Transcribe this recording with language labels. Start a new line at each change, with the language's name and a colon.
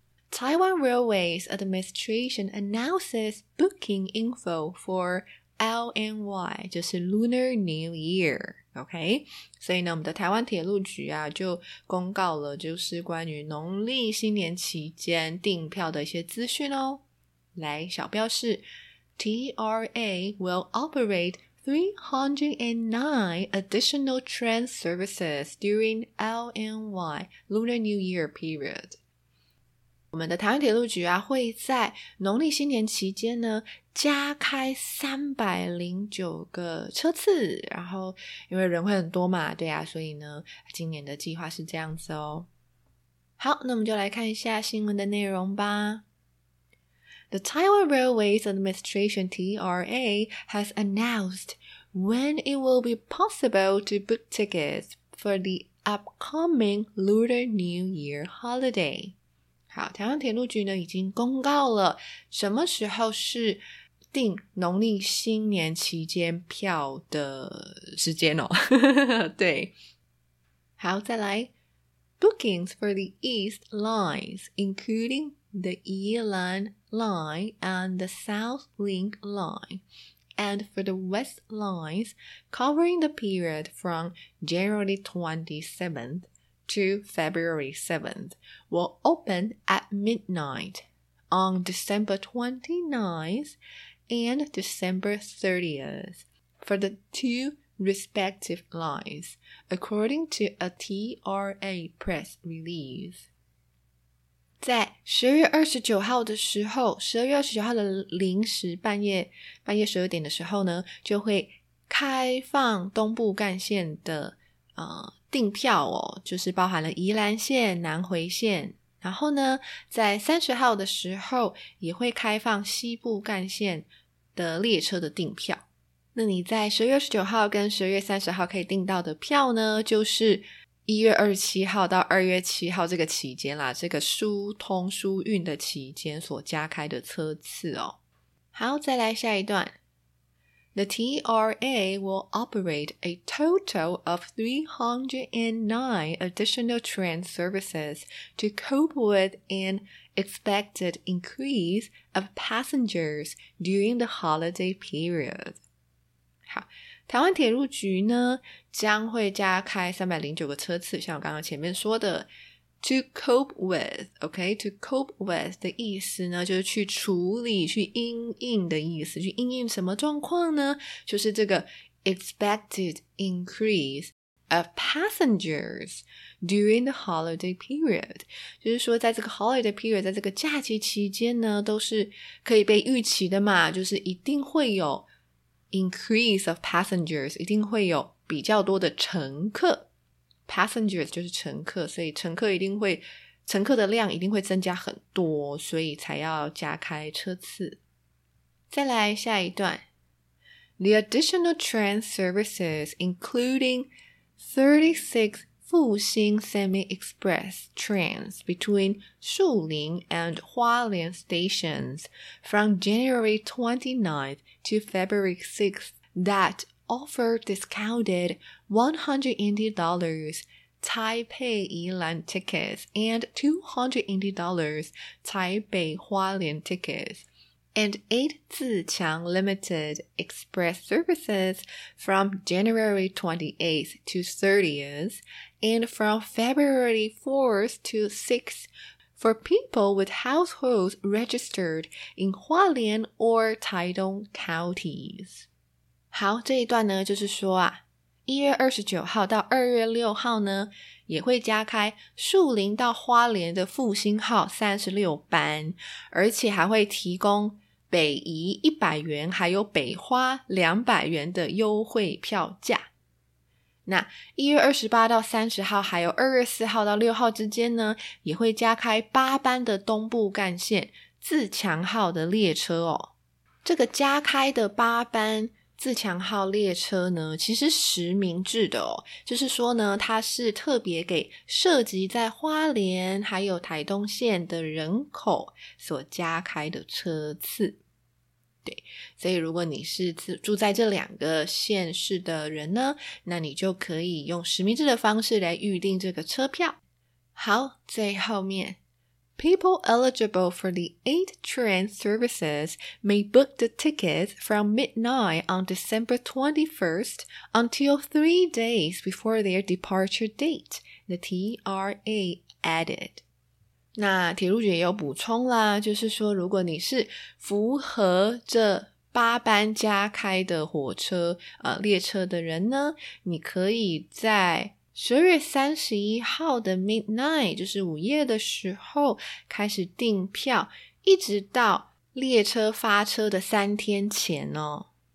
English: Taiwan Railways Administration announces booking info for LNY,
Chinese: 就是
English: Lunar New Year, OK?
Chinese: 所以呢，我们的台湾铁路局啊，就公告了就是关于农历新年期间订票的一些资讯哦。来，小标示
English: TRA will operate 309 additional train services during LNY, Lunar New Year period.
Chinese: 我们的台湾铁路局啊会在农历新年期间呢加开309个车次，然后因为人会很多嘛，对啊，所以呢今年的计划是这样子哦。好，那我们就来看一下新闻的内容吧。
English: The Taiwan Railways Administration TRA has announced when it will be possible to book tickets for the upcoming Lunar New Year holiday.
Chinese: 好，台湾铁路局呢已经公告了什么时候是订农历新年期间票的时间哦。对，好，再来
English: Bookings for the East Lines including the Yilan Line and the South Link Line and for the West Lines covering the period from January 27thTo February 7th will open at midnight on December 29th and December 30th for the two respective lines, according to a TRA press release.
Chinese: 在10月29号的时候，12月29号的半夜12点的时候呢，就会开放东部干线的订票哦，就是包含了宜兰县、南回县，然后呢在30号的时候也会开放西部干线的列车的订票。那你在10月29号跟10月30号可以订到的票呢，就是1月27号到2月7号这个期间啦，这个疏通疏运的期间所加开的车次哦。好，再来下一段。
English: The TRA will operate a total of 309 additional train services to cope with an expected increase of passengers during the holiday period.
Chinese: 好，台湾铁路局呢，将会加开309个车次，像我刚刚前面说的 ,
English: to cope with, okay, to cope with
Chinese: 的意思呢，就是去处理，去因应的意思，去因应什么状况呢？就是这个
English: expected increase of passengers during the holiday period,
Chinese: 就是说在这个
English: holiday period,
Chinese: 在这个假期期间呢，都是可以被预期的嘛，就是一定会有
English: increase of passengers,
Chinese: 一定会有比较多的乘客。 passengers 就是乘客，所以乘客一定会，乘客的量一定会增加很多，所以才要加开车次。再来下一段。
English: The additional train services, including 36 Fuxing semi-express trains between 树林 and 花莲 stations from January 29th to February 6th that offer discounted $180 Taipei 宜兰 tickets and $280 Taipei 花莲 tickets and 8 Zichang limited express services from January 28th to 30th and from February 4th to 6th for people with households registered in Hualien or Taidong counties.
Chinese: 好，这一段呢就是说啊，1月29号到2月6号呢也会加开树林到花莲的复兴号36班，而且还会提供北宜100元还有北花200元的优惠票价。那1月28到30号还有2月4号到6号之间呢，也会加开8班的东部干线自强号的列车哦。这个加开的8班自强号列车呢，其实实名制的哦，就是说呢，它是特别给涉及在花莲还有台东县的人口所加开的车次。对，所以如果你是住在这两个县市的人呢，那你就可以用实名制的方式来预订这个车票。好，最后面。
English: People eligible for the 8 train services may book the tickets from midnight on December 21st until 3 days before their departure date, the TRA added.
Chinese: 那铁路局也有补充啦，就是说如果你是符合这八班加开的火车列车的人呢，你可以在10月31号的 midnight, 就是午夜的时候开始订票，一直到列车发车的3天前哦。